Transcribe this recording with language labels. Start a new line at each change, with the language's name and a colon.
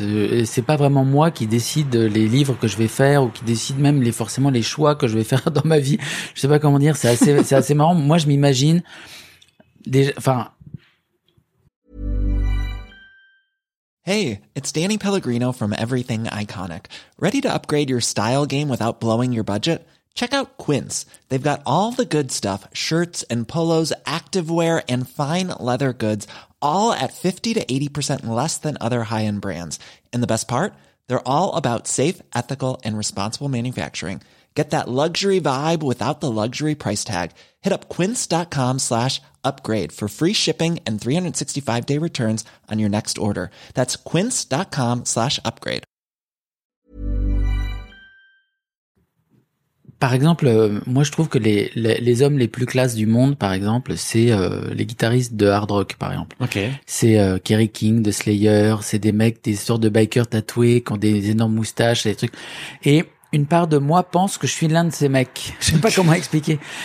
French: Et c'est pas vraiment moi qui décide les livres que je vais faire ou qui décide même les choix que je vais faire dans ma vie. Je sais pas comment dire. C'est assez marrant. Moi, je m'imagine déjà, enfin.
English: Hey, it's Danny Pellegrino from Everything Iconic. Ready to upgrade your style game without blowing your budget? Check out Quince. They've got all the good stuff, shirts and polos, activewear and fine leather goods, all at 50 to 80% less than other high-end brands. And the best part? They're all about safe, ethical, and responsible manufacturing. Get that luxury vibe without the luxury price tag. Hit up quince.com/upgrade for free shipping and 365-day returns on your next order. That's quince.com/upgrade.
French: Par exemple, moi je trouve que les hommes les plus classes du monde, par exemple, c'est les guitaristes de hard rock, par exemple. Ok. C'est Kerry King de Slayer, c'est des mecs, des sortes de bikers tatoués, qui ont des énormes moustaches, des trucs. Et une part de moi pense que je suis l'un de ces mecs. Je sais pas comment expliquer.